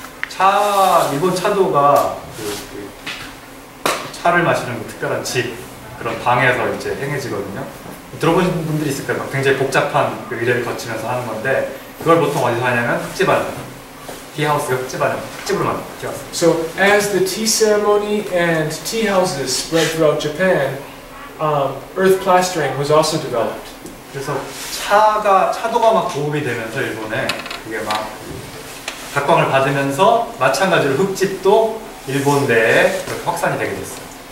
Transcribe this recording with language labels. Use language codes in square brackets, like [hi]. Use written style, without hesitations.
[ko] 차, 일본 차도가 그 차를 마시는 특별한 집 그런 방에서 이제 행해지거든요. 들어보신 분들이 있을 거예요. 굉장히 복잡한 그 의례를 거치면서 하는 건데 그걸 보통 어디서 하냐면 흙집 안에 tea house 흙집 안에 흙집으로 만든 tea house. [en] So as the tea ceremony and tea houses spread throughout Japan, earth plastering was also developed. [ko] 그래서 차가 차도가 막 도움이 되면서 일본에 그게 막 각광을 받으면서 마찬가지로 흙집도 일본 내에 확산이 되게 됐어요.